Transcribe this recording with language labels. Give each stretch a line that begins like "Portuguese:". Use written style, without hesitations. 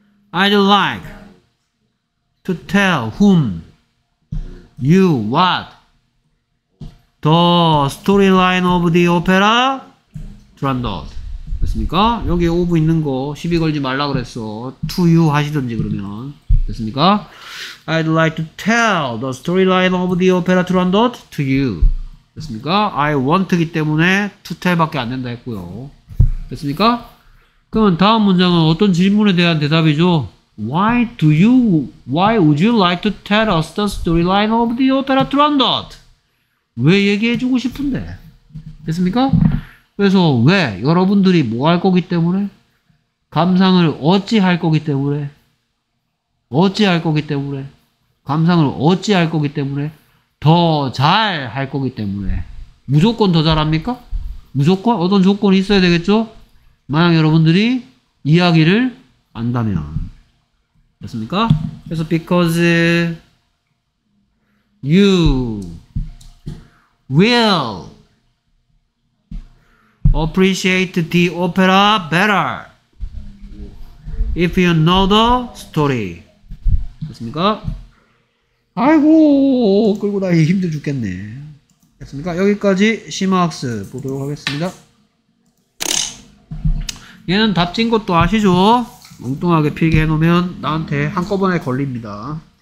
English: I'd like to tell whom you what the storyline of the opera Turandot.
Korean: 됐습니까? 여기 of 있는 거 시비 걸지 말라 그랬어.
English: To you
Korean: 하시던지 그러면 됐습니까?
English: I'd like to tell the storyline of the opera Turandot to you.
Korean: 됐습니까?
English: I want
Korean: 이기 때문에
English: to tell
Korean: 밖에 안 된다 했고요. 됐습니까? 그럼 다음 문장은 어떤 질문에 대한 대답이죠?
English: Why do you, why would you like to tell us the storyline of the opera Turandot?
Korean: 왜 얘기해주고 싶은데? 됐습니까? 그래서 왜? 여러분들이 뭐 할 거기 때문에? 감상을 어찌 할 거기 때문에? 어찌 할 거기 때문에? 감상을 어찌 할 거기 때문에? 더 잘 할 거기 때문에. 무조건 더 잘 합니까? 무조건? 어떤 조건이 있어야 되겠죠? 만약 여러분들이 이야기를 안다면. 됐습니까? 그래서
English: because you will appreciate the opera better if you know the story.
Korean: 됐습니까? 아이고 끌고 다니기 힘들 죽겠네. 됐습니까? 여기까지 심화학습 보도록 하겠습니다. 얘는 답 찐 것도 아시죠? 엉뚱하게 필기 해놓으면 나한테 한꺼번에 걸립니다.